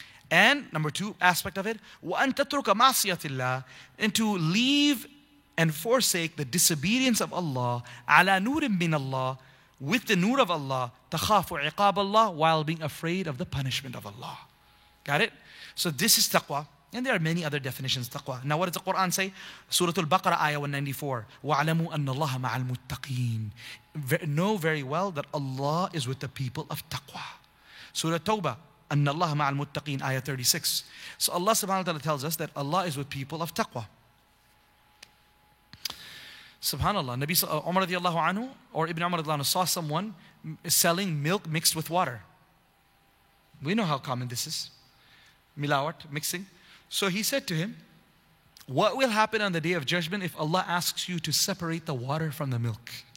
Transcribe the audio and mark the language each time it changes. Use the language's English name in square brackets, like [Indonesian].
[English] And number two aspect of it, [Arabic] وَأَن تَتْرُكَ مَعْصِيَةِ اللَّهِ, [English] and to leave and forsake the disobedience of Allah, [Arabic] عَلَى نُورٍ مِّنَ اللَّهِ, [English] with the nur of Allah, [Arabic] تَخَافُ عِقَابَ اللَّهِ, [English] while being afraid of the punishment of Allah. Got it? So this is taqwa. And there are many other definitions of taqwa. Now what does the Quran say? Surah Al-Baqarah, ayah 194. [Arabic] وَعْلَمُوا أَنَّ اللَّهَ مَعَ الْمُتَّقِينَ. [English] Know very well that Allah is with the people of taqwa. Surah Tawbah, [Arabic] أَنَّ اللَّهَ مَعَ الْمُتَّقِينَ, [English] ayah 36. So Allah subhanahu wa ta'ala tells us that Allah is with people of taqwa. SubhanAllah, Nabi Umar radiallahu anhu or Ibn Umar radiallahu anhu saw someone selling milk mixed with water. We know how common this is. Milawat, mixing. So he said to him, what will happen on the day of judgment if Allah asks you to separate the water from the milk?